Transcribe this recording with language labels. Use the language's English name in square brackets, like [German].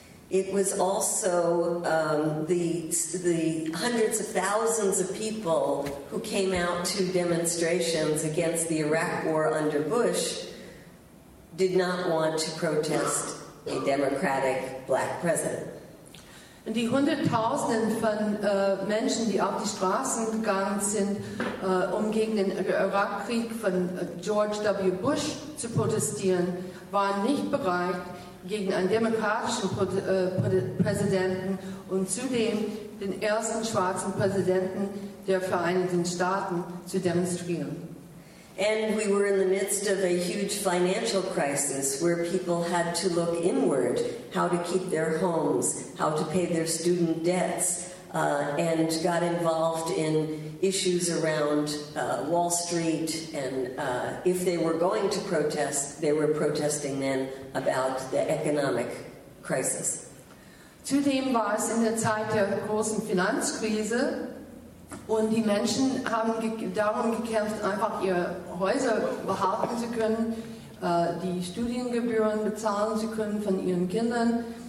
[English] It was also the hundreds of thousands of people who came out to demonstrations against the Iraq war under Bush did not want to protest a Democratic black president. [German] Und die Hunderttausenden von Menschen, die auf die Straßen gegangen sind, um gegen den Irakkrieg von George W. Bush zu protestieren, waren nicht bereit, gegen einen demokratischen Präsidenten und zudem den ersten schwarzen Präsidenten der Vereinigten Staaten zu demonstrieren. [English] And we were in the midst of a huge financial crisis where people had to look inward, how to keep their homes, how to pay their student debts, and got involved in issues around Wall Street, and if they were going to protest, they were protesting then about the economic crisis. [German] Zudem war es in der Zeit der großen Finanzkrise, und die Menschen haben darum gekämpft, einfach ihre Häuser behalten zu können, die Studiengebühren bezahlen zu können von ihren Kindern.